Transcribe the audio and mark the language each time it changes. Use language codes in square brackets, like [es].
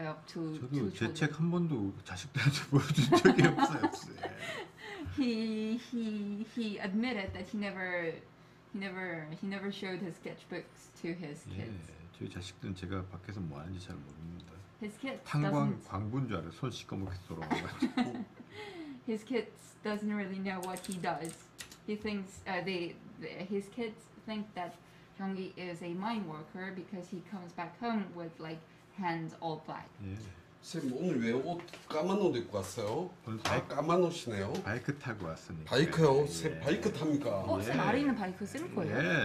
[ko] 저도 제 책 한 번도 자식들한테 보여준 적이 없어요. [en] He admitted that he never showed his sketchbooks to his kids. [ko] 예, 저희 자식들은 제가 밖에서 뭐 하는지 잘 모릅니다. [en] His kids [ko] 광분 줄 알아요. 손 시꺼멓게 돌아가가지고. [en] His kids doesn't really know what he does. He thinks his kids think that Jeongi is a mine worker because he comes back home with like hands all black. [ko] 쌤 오늘 왜 옷 까만 옷 입고 왔어요? 다 까만 옷이네요. 바이크 타고 왔으니까. 바이크요? 쌤 바이크 탑니까? 쌤 아리는 바이크 쓸 거예요.